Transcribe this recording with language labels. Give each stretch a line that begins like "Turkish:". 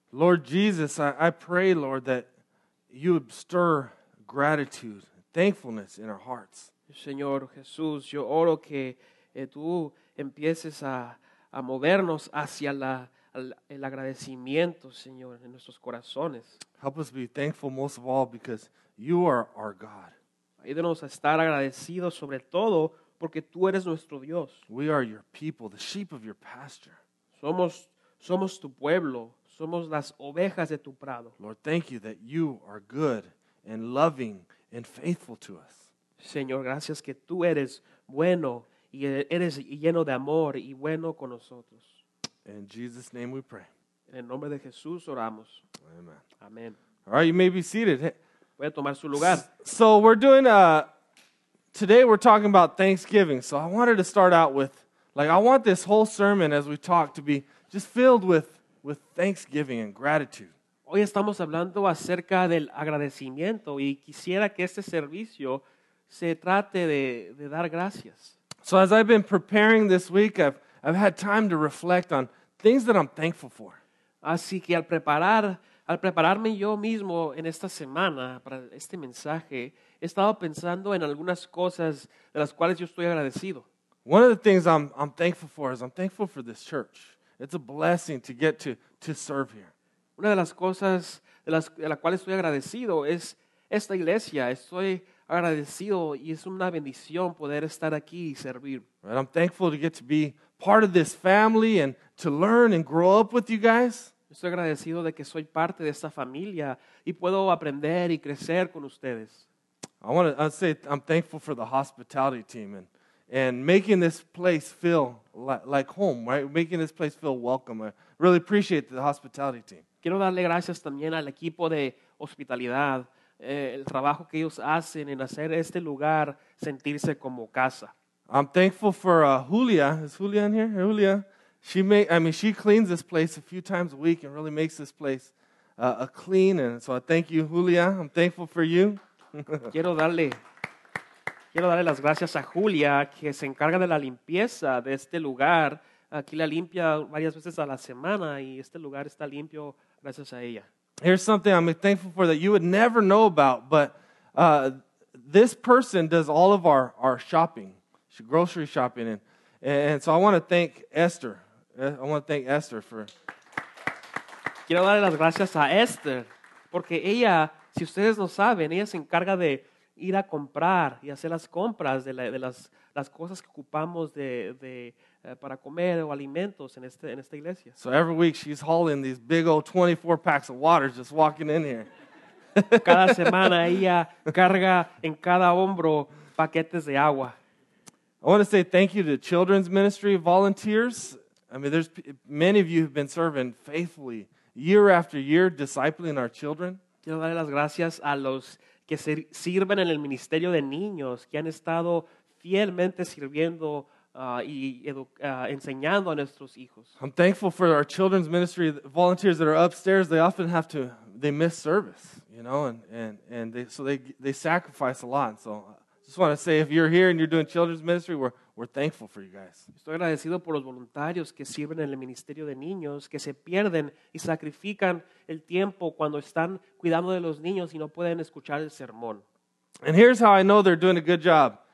English: Lord Jesus, I pray, Lord, that you would stir gratitude, thankfulness in our hearts.
Spanish: Señor Jesús, yo oro que tú empieces a movernos hacia el agradecimiento, Señor, en nuestros corazones.
English: Help us be thankful most of all because you are our God.
Spanish: Ayúdanos a estar agradecidos sobre todo porque tú eres nuestro Dios.
English: We are your people, the sheep of your pasture.
Spanish: Somos tu pueblo, somos las ovejas de tu prado.
English: Lord, thank you that you are good and loving and faithful to us.
Spanish: Señor, gracias que tú eres bueno y eres lleno de amor y bueno con nosotros.
English: In Jesus' name we pray.
Spanish: En el nombre de Jesús oramos.
English: Amen.
Spanish: Amen.
English: All right, you may be seated.
Spanish: Voy a tomar su lugar.
English: So we're doing, today we're talking about Thanksgiving. So I wanted to start out with, like, I want this whole sermon as we talk to be just filled with thanksgiving and gratitude.
Spanish: Hoy estamos hablando acerca del agradecimiento y quisiera que este servicio se trate de dar gracias.
English: So as I've been preparing this week, I've had time to reflect on things that I'm thankful for.
Spanish: Así que al prepararme yo mismo en esta semana para este mensaje, he estado pensando en algunas cosas de las cuales yo estoy agradecido.
English: One of the things I'm thankful for is I'm thankful for this church. It's a blessing to get to serve here.
Spanish: Una de las cosas de la cual estoy agradecido es esta iglesia. Estoy agradecido y es una bendición poder estar aquí y servir.
English: Right, I'm thankful to get to be part of this family and to learn and grow up with you guys.
Spanish: Estoy agradecido de que soy parte de esta familia y puedo aprender y crecer con ustedes.
English: I'll say I'm thankful for the hospitality team and making this place feel like home, right? Making this place feel welcome. I really appreciate the hospitality team.
Spanish: Quiero darle gracias también al equipo de hospitalidad, el trabajo que ellos hacen en hacer este lugar sentirse como casa.
English: I'm thankful for Julia. Is Julia in here? Hey, Julia. She cleans this place a few times a week and really makes this place a clean. And so I thank you, Julia. I'm thankful for you.
Spanish: Quiero darle las gracias a Julia, que se encarga de la limpieza de este lugar. Aquí la limpia varias veces a la semana y este lugar está limpio gracias a ella.
English: Here's something I'm thankful for that you would never know about, but this person does all of our shopping, grocery shopping. And so I want to thank Esther. I want to thank Esther for...
Spanish: Quiero darle las gracias a Esther, porque ella, si ustedes no saben, ella se encarga de ir a comprar y hacer las compras de las cosas que ocupamos para comer o alimentos en esta iglesia.
English: So every week she's hauling these big old 24 packs of water just walking in here.
Spanish: Cada semana ella carga en cada hombro paquetes de agua.
English: I want to say thank you to Children's Ministry volunteers. I mean, there's many of you have been serving faithfully year after year, discipling our children.
Spanish: Quiero darle las gracias a los que sirven en el ministerio de niños, que han estado fielmente sirviendo enseñando a nuestros hijos.
English: I'm thankful for our children's ministry volunteers that are upstairs. They often have to they miss service, you know, and they sacrifice a lot. And so I just want to say, if you're here and you're doing children's ministry, we're thankful for you guys.
Spanish: Estoy agradecido por los voluntarios que sirven en el ministerio de niños, que se pierden y sacrifican el tiempo cuando están cuidando de los niños y no pueden escuchar el sermón.
English: And here's how I know they're doing a good job.